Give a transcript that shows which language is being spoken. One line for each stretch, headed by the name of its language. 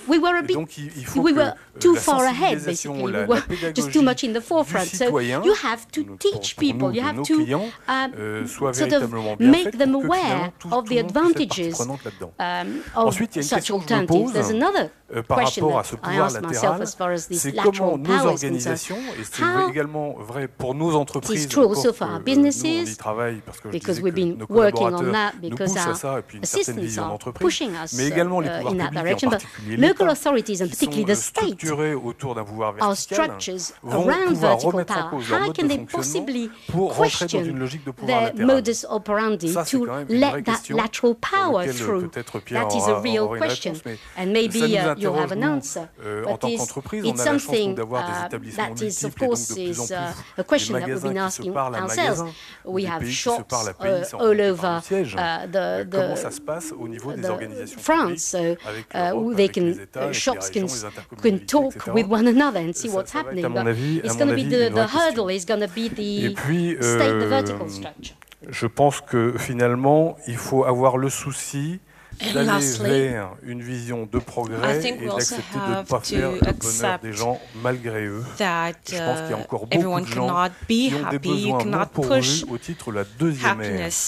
English: we were a bit, we were too far ahead, basically. We were just too much in the forefront. So you have to teach people, you have to sort of make them aware of the advantages of such alternatives. There's another question that I asked myself as far as
French: c'est comment nos organisations, et c'est également vrai pour nos entreprises, nous on y travaille parce que je disais que nos collaborateurs nous poussent à ça, et puis une certaine vision d'entreprise, mais également les pouvoirs publics, en particulier l'État, qui sont structurés autour d'un pouvoir vertical, vont pouvoir remettre en cause leur mode de fonctionnement pour rentrer dans une logique de pouvoir latéral. Ça, c'est quand même une vraie question pour laquelle peut-être Pierre aura une réponse, mais ça nous interroge, nous, en tant qu'entreprise, on a la chance d'avoir des établissements multiples, et donc de plus en plus, des magasins qui se parlent à magasins, des pays qui se parlent à pays, sans parler par le siège. Comment ça se passe au niveau des organisations publiques, avec les États, avec les régions, les intercommunalités, etc.
English: Talk with one another and see what's happening.
French: À mon avis,
English: it's going to be the hurdle. It's going to be the state, the vertical structure.
French: Je pense que finalement, il faut avoir le souci d'aller vers une vision de progrès et d'accepter de ne pas faire le bonheur des gens malgré eux. Je pense qu'il y a encore beaucoup de gens qui ont des besoins non pourvus au titre de la deuxième ère.